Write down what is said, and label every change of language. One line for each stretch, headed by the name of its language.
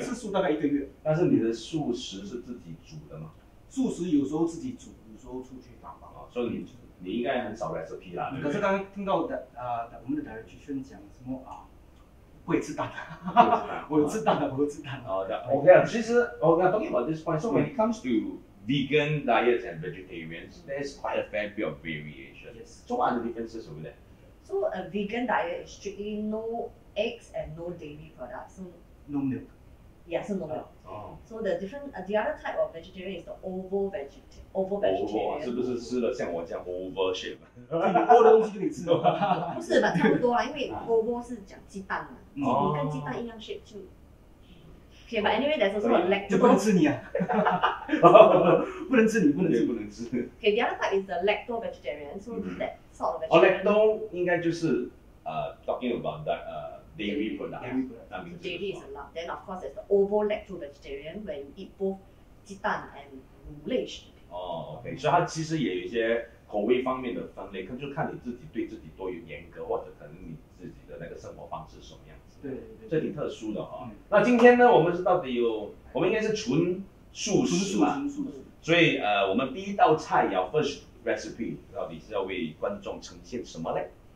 Chinese: 吃素大概一个月。但是你的素食是自己煮的吗？素食有时候自己煮，有时候出去打包。所以你应该很少 recipe 啦。可是刚刚听到我们的 dietitian 讲什么啊？不会吃蛋的，我有吃蛋的，我有吃蛋的。哦，对 ，OK 啊。
English: 其实，OK， talking about this point， so when it comes to vegan diets and vegetarians， there's quite a fair bit of variation。 Yes。 So what are the differences over there？ So a vegan diet is strictly no eggs and no dairy products。 No milk。 Yeah, so no milk. So the different, the other type of vegetarian is the oval vegetarian.
Chinese: 是不是吃了像我这样 oval shape？你多的东西就可以吃了。不是吧，差不多啦，因为 oval 是讲鸡蛋嘛，你跟鸡蛋一样 shape 就。
English: Okay, but anyway, there's also a lactose.
Chinese: 就不能吃你啊！不能吃你，不能吃，不能吃。
English: Okay, the other type is the lacto vegetarian. So that sort of vegetarian. Lacto 应该就是 talking about that dairy product. Dairy is a lot. Then of course, there's the oval lacto vegetarian where you eat both 鸡蛋 and 乳类食品。
Chinese: 哦 ，OK， 所以它其实也有一些口味方面的分类，可就看你自己对自己多有严格，或者可能你自己的那个生活方式什么样子。对，这挺特殊的哈。那今天呢，我们是到底有，我们应该是纯素食嘛？纯素食。所以我们第一道菜要 first recipe 到底是要为观众呈现什么嘞？